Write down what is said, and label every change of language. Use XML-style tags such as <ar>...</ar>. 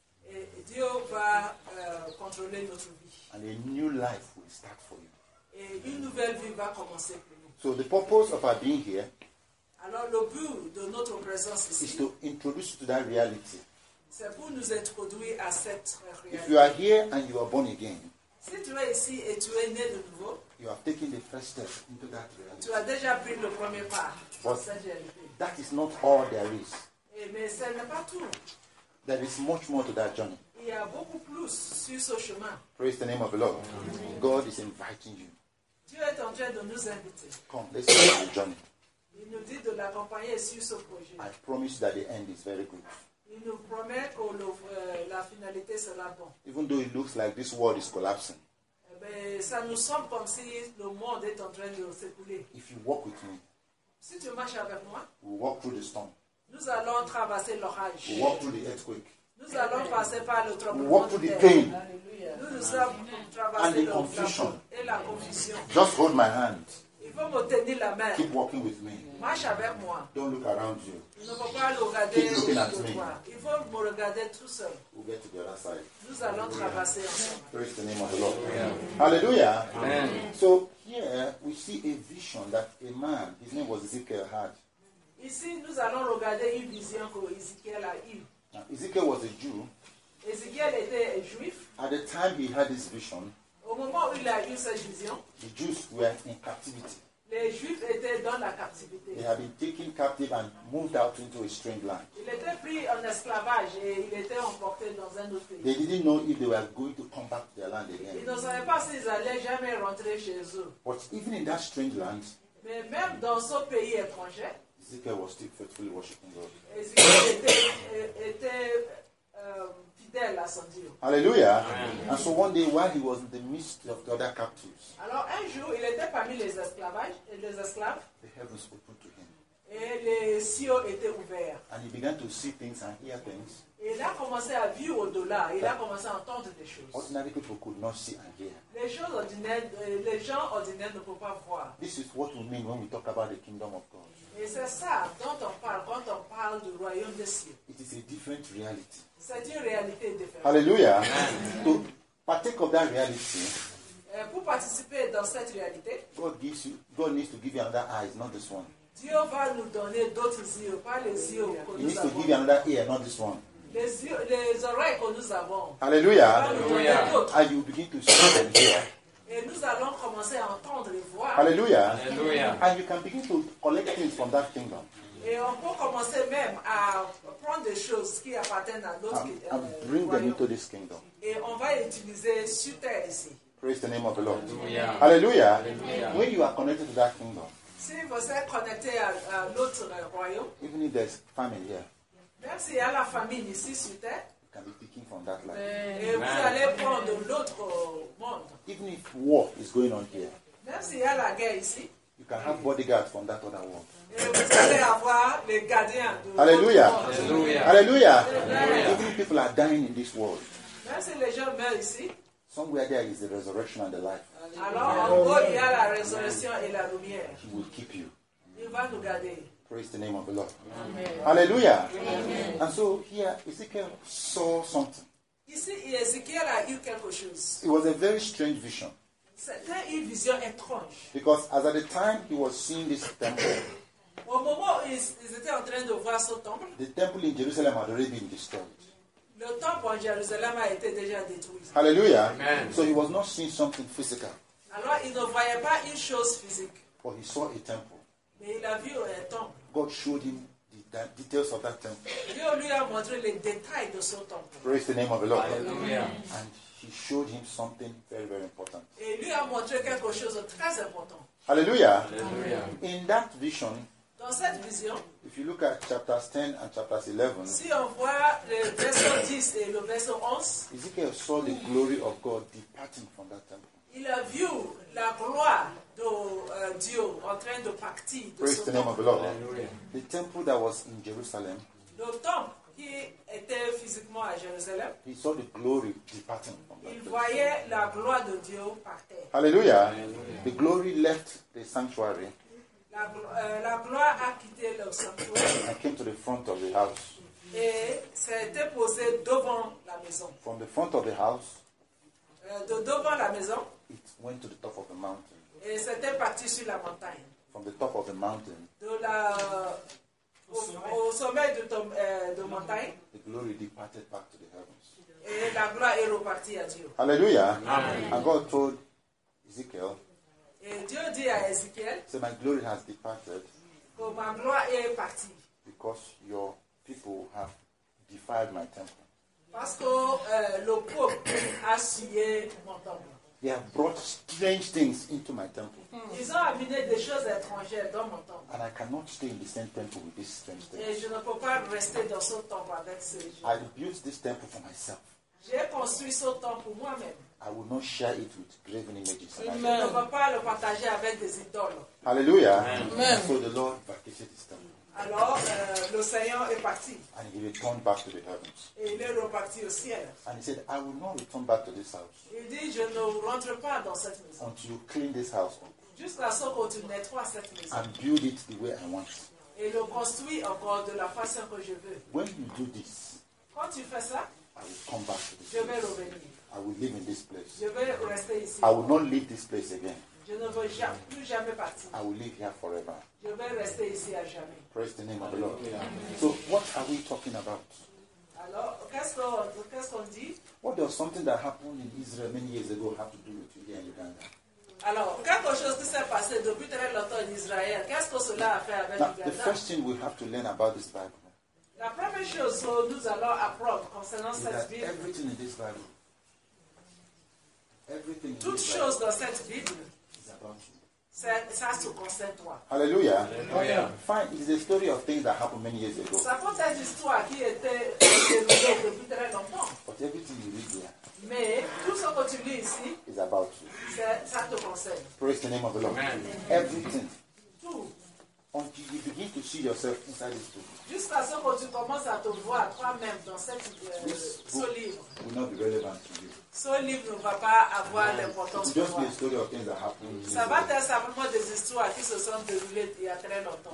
<en>And a new life will start for you. So the purpose of our being here</en> <fr>alors, le but de notre présence ici,</fr> <en>is to introduce you to that reality.</en> <fr>C'est pour nous introduire à cette réalité.</fr> <en>If you are here and you are born again,</en> <fr>si tu es ici et tu es né de nouveau,</fr> <en>you have taken the first step into that reality.</en> <fr>Tu as déjà pris le premier pas.</fr> <en>But that is not all there is.</en> <fr>Mais ce n'est pas tout.</fr> <en>There is much more to that journey.</en> <fr>Il y a beaucoup plus sur ce chemin.</fr> <en>Praise the name of the Lord. Amen. God is inviting you.</en> <fr>Dieu est en train de nous inviter.</fr> <en>Come, let's start the journey.</en> <fr>Il nous dit de l'accompagner sur ce projet.</fr> <en>I promise that the end is very good.</en> <fr>Il nous promet que la finalité sera bonne.</fr> <en>Even though it looks like this world is collapsing.</en> <fr>Mais ça nous semble comme si le monde est en train de s'écouler.</fr> <en>If you walk with me,</en> <fr>si tu marches avec moi,</fr> <en>we'll walk through the storm.</en> <fr>Nous allons traverser l'orage.</fr> <en>We'll walk through the earthquake.</en> <fr>Nous allons passer par le tremblement.</fr> <en>We'll walk through the pain.</en> <fr>Nous allons traverser le tremblement.</fr> <en>And the confusion.</en> <fr>Et la confusion.</fr> <en>Just hold my hand.</en> <fr>Il faut me tenir la main.</fr> <en>Keep walking with me.</en> <fr>Marche avec moi.</fr> <en>Don't look around you.</en> <fr>Il ne faut pas le regarder.</fr> <en>Keep looking at me.</en> <fr>Il faut me regarder tout seul.</fr> <en>We'll get to the other side.</en> <fr>Nous allons traverser ensemble.</fr> <en>Praise the name of the Lord. Hallelujah. Amen. So here we see a vision that a man, his name was Ezekiel, had.</en> <fr>Ici, nous allons regarder une vision que Ézéchiel a eue.</fr> <en>Now, Ezekiel was a Jew.</en> <fr>Ézéchiel était un juif.</fr> <en>At the time he had this vision,</en> <fr>au moment où il a eu cette vision,</fr> <en>the Jews were in captivity.</en> <fr>Les Juifs étaient dans la captivité.</fr> <en>They had been taken captive and moved out into a strange land.</en> <fr>Il était pris en esclavage et il était emporté dans un autre pays.</fr> <en>They didn't know if they were going to come back to their land again.</en> <fr>Ils ne savaient pas s'ils allaient jamais rentrer chez eux.</fr> <en>But even in that strange land,</en> <fr>mais même dans ce pays étranger,</fr> <en>Ezekiel was still faithfully worshiping God.</en> <fr>Ezekiel à son Dieu.</fr> <en>Hallelujah. Amen. And so one day, while he was in the midst of the other captives,</en> <fr>alors un jour, il était parmi les esclavages, les esclaves,</fr> <en>the heavens opened to him.</en> <fr>Et les cieux étaient ouverts.</fr> <en>And he began to see things and hear things.</en> <fr>Il a commencé à vivre au-delà. Il a commencé à entendre des choses.</fr> <en>Ordinary people could not see and hear.</en> <fr>Les gens ordinaires ne peuvent pas voir.</fr> <en>This is what we mean when we talk about the kingdom of God.</en> <fr>Et c'est ça dont on parle quand on parle du royaume des cieux.</fr> <en>It is a different reality.</en> <fr>C'est une réalité différente.</fr> <en>Hallelujah. To partake of that reality.</en> <fr>Pour participer dans cette réalité.</fr> <en>God gives you. God needs to give you another eyes, not this one.</en> <fr>Dieu va nous donner d'autres yeux, pas les yeux que nous avons.</fr> <en>He needs to give you another ear, not this one.</en> <fr>Les oreilles que nous avons.</fr> <en>Hallelujah. Hallelujah. And you begin to see them here.</en> <fr>Et nous allons commencer à entendre et voir.</fr> <en>Hallelujah. Hallelujah. And you can begin to collect things from that kingdom.</en> <fr>Et on peut commencer même à prendre des choses qui appartiennent à d'autres</fr> <en>kingdoms. And bring them into this kingdom.</en> <fr>Et on va utiliser sur terre ici.</fr> <en>Praise the name of the Lord. Hallelujah. Hallelujah. Hallelujah. When you are connected to that kingdom,</en> <fr>si vous êtes connecté à l'autre royaume,</fr> <en>even if there's famine here,</en> <fr>même s'il y a la famine ici sur terre,</fr> <en>can be picking from that land.</en> <fr>Et man, vous allez prendre l'autre monde.</fr> <en>Even if war is going on here,</en> <fr>même s'il y a la guerre ici,</fr> <en>you can have bodyguards from that other world.</en> <fr>Et vous allez avoir les gardiens de Hallelujah. Monde.</fr> <en>Hallelujah. Hallelujah. Even if people are dying in this world,</en> <fr>même si les gens meurent ici,</fr> <en>somewhere there is the resurrection and the life.</en> <fr>Alors, en haut, il y a la résurrection et la lumière.</fr> <en>He will keep you.</en> <fr>Il va nous garder.</fr> <en>Praise the name of the Lord. Amen. Hallelujah. Amen. And so here, Ezekiel saw something. You see, Ezekiel had</en> <fr>quelque chose.</fr> <en>It was a very strange vision.</en> <fr>C'était une vision étrange.</fr> <en>Because as at the time he was seeing this temple,</en> <fr>au moment où ils étaient en train de voir ce temple,</fr> <en>the temple in Jerusalem had already been destroyed.</en> <fr>Le temple en Jérusalem a été déjà détruit.</fr> <en>Hallelujah. Amen. So he was not seeing something physical.</en> <fr>Alors, il ne voyait pas une chose physique.</fr> <en>But he saw a temple.</en> <fr>Mais il a vu un temple.</fr> <en>God showed him the details of that temple.</en> <fr>Dieu lui a montré les détails de son temple.</fr> <en>Praise the name of the Lord. Hallelujah. And he showed him something very, very important.</en> <fr>Et lui a montré quelque chose de très important.</fr> <en>Hallelujah. Hallelujah. In that vision,</en> <fr>dans cette vision,</fr> <en>if you look at chapters 10 and chapters 11,</en> <fr>si on voit le verset 10 et le verset 11,</fr> <en>Ezekiel saw the glory of God departing from that temple.</en> <fr>Il a vu la gloire de Dieu en train de partir de</fr> <en>Praise the name of the Lord. The temple that was in Jerusalem,</en> <fr>le temple qui était physiquement à Jérusalem.</fr> <en>He saw the glory departing.</en> <fr>Il voyait la gloire de Dieu partir.</fr> <en>Hallelujah. The glory left the sanctuary.</en> <fr>La gloire a quitté le sanctuaire.</fr> <en>And came to the front of the house.</en> <fr>Et s'était posé devant la maison.</fr> <en>From the front of the house.</en> <fr>De devant la maison.</fr> <en>It went to the top of the mountain.</en> <fr>Et c'était parti sur la montagne.</fr> <en>From the top of the mountain.</en> <fr>De la au sommet de montagne.</fr> <en>The glory departed back to the heavens.</en> <fr>Et la gloire est repartie à Dieu.</fr> <en>Hallelujah. Amen. And God told Ezekiel.</en> <fr>Et Dieu dit à Ezekiel.</fr> <en>So my glory has departed.</en> <fr>Que ma gloire est partie.</fr> <en>Because your people have defiled my temple.</en> <fr>Parce que le peuple a souillé mon temple.</fr> <en>They have brought strange things into my temple.</en> <fr>Ils ont amené des choses étrangères dans mon temple.</fr> <en>And I cannot stay in the same temple with these strange things.</en> <fr>Et je ne peux pas rester dans ce temple avec ces gens.</fr> <en>I built this temple for myself.</en> <fr>J'ai construit ce temple moi-même.</fr> <en>I will not share it with graven images. Amen.</en> <fr>Je ne peux pas le partager avec des idoles.</fr> <en>Hallelujah. Amen. So the Lord vacated this temple.</en> <fr>Alors, le Seigneur est parti.</fr> <en>And he returned back to the heavens.</en> <fr>Et il est reparti au ciel.</fr> <en>And he said, I will not return back to this house.</en> <fr>Il dit, je ne rentre pas dans cette maison.</fr> <en>Until you clean this house.</en> <fr>Jusqu'à ce que tu nettoies cette maison.</fr> <en>And build it the way I want.</en> <fr>Et le construis encore de la façon que je veux.</fr> <en>When you do this.</en> <fr>Quand tu fais ça.</fr> <en>I will come back to this place.</en> <fr>Je vais revenir.</fr> <en>I will live in this place.</en> <fr>Je vais rester ici.</fr> <en>I will not leave this place again.</en> <fr>Je ne veux jamais, plus jamais partir.</fr> <en>I will live here forever.</en> <fr>Je vais rester ici à jamais.</fr> <en>Praise the name of the Lord. So, what are we talking about?</en> <fr>Alors, qu'est-ce qu'on dit?</fr> <en>What does something that happened in Israel many years ago have to do with you here in Uganda?</en> <fr>Alors, quelque chose qui s'est passé depuis très longtemps en Israël, qu'est-ce que cela a fait avec</fr> <en>now, Uganda? The first thing we have to learn about this Bible.</en> <fr>La première chose que nous allons apprendre concernant cette Bible.</fr> <en>Everything in this Bible. Everything</en> <fr>toutes</fr> <en>in this</en> <fr>choses</fr> <en>Bible.</en> <fr>Dans cette Bible. Ça se concerne toi.</fr> <en>Hallelujah. Hallelujah. Fine. It's the story of things that happened many years ago.</en> <fr>Ça peut être une histoire qui était depuis très longtemps.</fr> <en>But everything you read here.</en> <fr>Mais tout ce que tu lis ici.</fr> <en>Is about you.</en> <fr>Ça te concerne.</fr> <en>Praise the name of the Lord. Amen. Everything.</en> <fr>Tout.</fr> <en>Until you begin to see yourself inside this book.</en> <fr>Jusqu'à ce que tu commences à te voir toi-même dans ce livre.</fr> <en>Will not be relevant to you.</en> <fr>Ce livre ne va pas avoir l'importance pour moi.</fr> <en>Story of things that happened.</en> <fr>Ça va être simplement des histoires qui se sont déroulées il y a très longtemps.</fr>